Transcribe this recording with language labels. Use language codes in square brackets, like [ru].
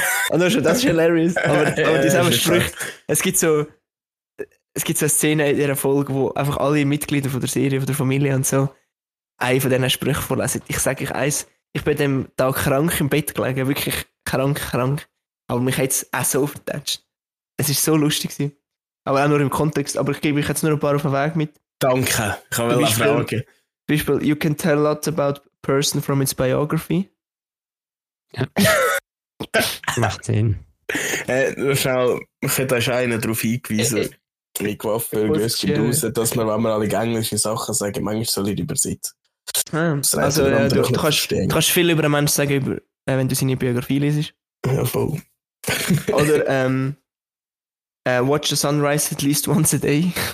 [de] Und schon, das ist hilarious. Aber die selben Sprüche. Es gibt so eine Szene in dieser Folge, wo einfach alle Mitglieder von der Serie, von der Familie und so, einen von diesen Sprüchen vorlesen. Ich sage euch eins, ich bin dem Tag krank im Bett gelegen, wirklich krank. Aber mich hat es auch so vertatscht. Es war so lustig gewesen. Aber auch nur im Kontext. Aber ich gebe euch jetzt nur ein paar auf den Weg mit. Danke, ich habe eine Frage. Zum Beispiel, [en] you can tell a lot about a person from its biography. [de] Ja. Macht Sinn. Schau, ich hätte da schon einen darauf hingewiesen. Wie gewaffnet, wie es geht raus, dass man, wenn man alle englische Sachen sagen, manchmal soll ich übersetzen. Also, du kannst viel über einen Menschen sagen, wenn du seine Biografie liest. Ja, voll. Oder [en] watch the sunrise at least once a day.